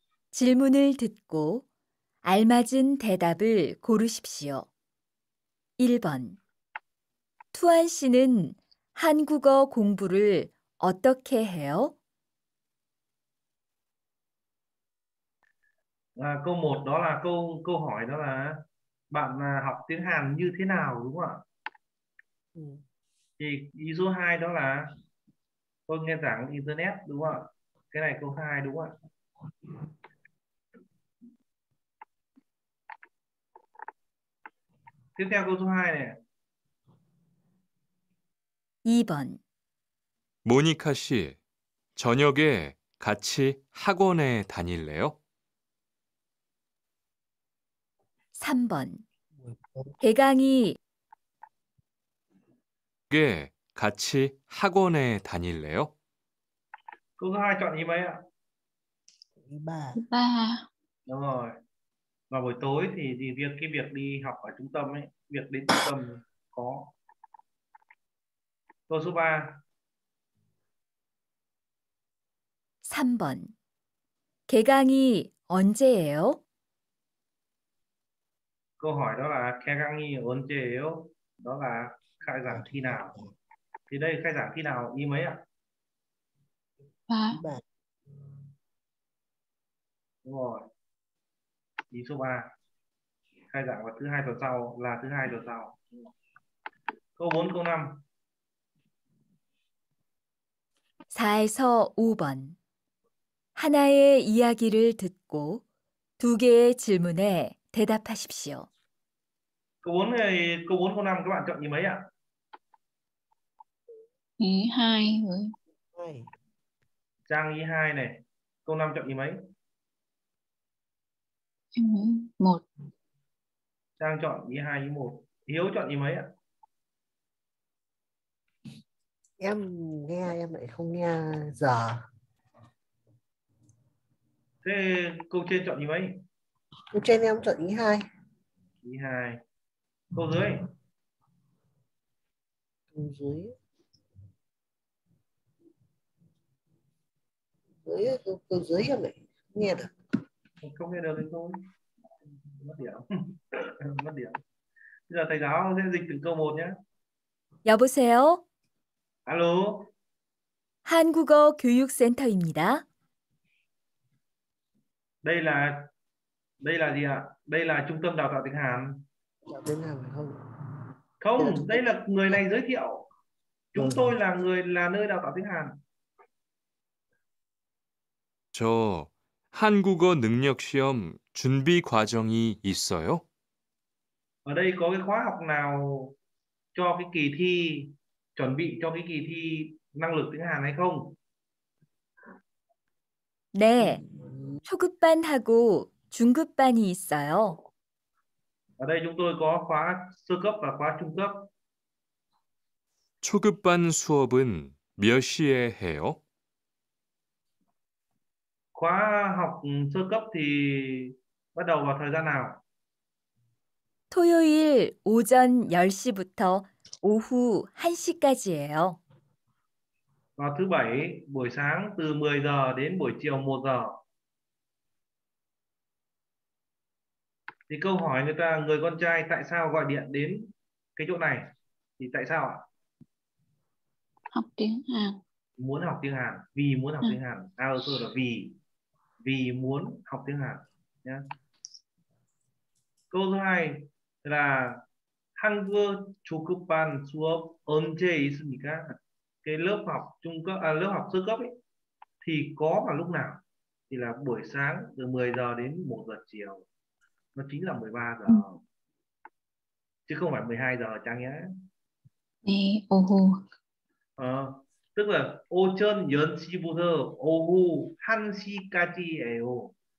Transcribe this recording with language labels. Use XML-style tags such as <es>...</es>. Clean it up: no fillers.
<ko>질문을 듣고 알맞은 대답을 고르십시오. 1번. 투안 씨는 한국어 공부를 어떻게 해요?</ko> <vi>아, câu 1 đó là câu hỏi đó là bạn học tiếng Hàn như thế nào đúng không ạ? Thì ý số 2 đó là tôi nghe giảng internet đúng không ạ? Cái này câu 2 đúng không ạ? Tiếp theo câu số 2 này.</vi> <ko>2번. 모니카 씨, 저녁에 같이 학원에 다닐래요? 3번. 대강이 네, 같이 학원에 다닐래요? 그거 하나 chọn 2번이야. 2번.</ko> <vi>đúng rồi. Và buổi tối thì việc cái việc đi học ở trung tâm ấy, việc đến trung tâm có. Câu số 3.</vi> <ko>3번. 개강이 언제예요?</ko> <vi>Câu hỏi đó là khai giảng khi nào? Đó là khai giảng khi nào? Thì đây khai giảng khi nào? Y mấy ạ? Ba. Đúng rồi. Y số 3. Khai giảng vào thứ hai tuần sau là thứ hai tuần sau. Câu 4, câu 5.</vi> <ko>4에서 5번. 하나의 이야기를 듣고 두 개의 질문에 대답하십시오.</ko> <vi>Câu 4, câu 5 các bạn chọn như mấy ạ? 2. Trang 2 này, câu 5 chọn như mấy? 1. Trang chọn 2, 1. Hiếu chọn như mấy ạ? Em nghe, em lại không nghe giờ. Thế câu trên chọn như mấy? Câu trên em chọn 2. 2. Câu dưới. Câu dưới. Dưới câu dưới em lại nghe được. Không nghe được thì thôi. Mất điểm. Mất điểm. Bây giờ thầy giáo sẽ dịch từng câu một nhé.</vi> <ko>여보세요.</ko> <vi>Alo.</vi> <ko>한국어 교육센터입니다.</ko> <vi>Đây là gì ạ? Đây là trung tâm đào tạo tiếng Hàn. Không, đây là người này giới thiệu. Chúng tôi là người là nơi đào tạo tiếng Hàn.</vi> <ko>저 한국어 능력 시험 준비 과정이 있어요?</ko> <vi>Ở đây có cái khóa học nào cho cái kỳ thi chuẩn bị cho cái kỳ thi năng lực tiếng Hàn hay không?</vi> <ko>네. 초급반하고 중급반이 있어요.</ko> <vi>Ở đây chúng tôi có khóa sơ cấp và khóa trung cấp.</vi> <ko>초급반 수업은 몇 시에 해요?</ko> <vi>Khóa học sơ cấp thì bắt đầu vào thời gian nào?</vi> <ko>토요일 오전 10시부터 오후 1시까지예요.</ko> <vi>Vào thứ bảy buổi sáng từ 10 giờ đến buổi chiều 1 giờ. Thì câu hỏi người ta, người con trai tại sao gọi điện đến cái chỗ này? Thì tại sao ạ? Học tiếng Hàn. Muốn học tiếng Hàn. Vì muốn học tiếng Hàn. À, tôi là vì. Vì muốn học tiếng Hàn. Nhá. Câu thứ hai là</vi> <ko>한국어 초급반 수업 언제 있습니까?</ko> <vi>Cái lớp học trung cấp, lớp học sơ cấp ấy, thì có vào lúc nào? Thì là buổi sáng từ 10 giờ đến 1 giờ chiều. Nó chính là 13 giờ. Chứ không phải 12 giờ chẳng nhé. Ê, ô hù. Ờ, tức là ô chân yến si bù thơ ô hù han si ca chi ê ô.</vi>